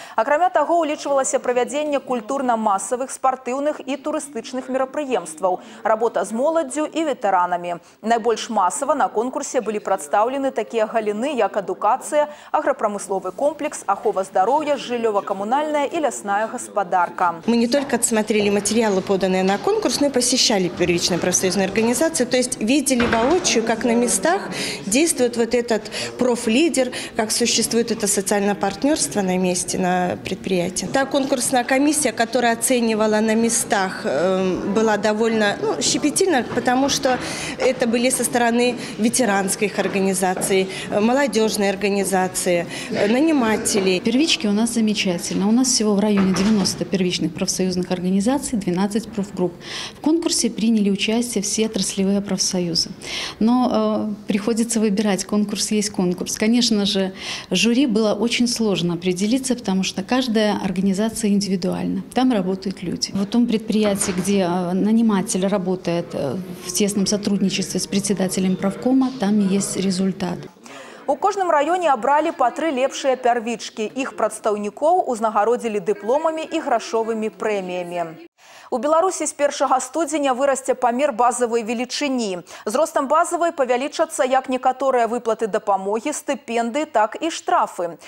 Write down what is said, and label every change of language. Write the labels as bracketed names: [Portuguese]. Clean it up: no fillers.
[Belarusian] Акрамя таго, улічвалася правядзенне культурна-масавых, спартыўных і турыстычных мерапрыемстваў, работа з моладдзю і ветэранамі. Найбольш масава на конкурсе былі прадстаўлены такія галіны, як адукацыя, аграпрамысловы комплекс, ахова здароўя, жыллёва-камунальная і лясная гаспадарка. [Russian] Мы не только отсмотрели материалы, поданные на конкурс, но и посещали первичную профсоюзную организацию, то есть видели воочию, как на местах действует вот этот профлидер, как существует это социальное партнерство на месте, на предприятии. Та конкурсная комиссия, которая оценивала на местах, была довольно щепетильна, потому что это были со стороны ветеранской организации, молодежной организации, нанимателей. Первички у нас замечательно. У нас всего в районе 90 первичных профсоюзных организаций, 12 профгрупп. В конкурсе приняли участие все отраслевые профсоюзы. Но приходится выбирать, конкурс есть конкурс. Конечно же, жюри было очень сложно определиться, потому что каждая организация индивидуальна. Там работают люди. В том предприятии, где наниматель работает в тесном сотрудничестве с председателем правкома, там есть результат. [Belarusian] У кожным раёне абралі па 3 лепшыя пярвічкі. Іх прадстаўнікоў узнагародзілі дыпломамі і грашовымі прэміямі. У Беларусі з 1 студзеня вырасце памер базавай велічыні. З ростам базавай павялічацца як некаторыя выплаты дапамогі, стыпендыі, так і штрафы.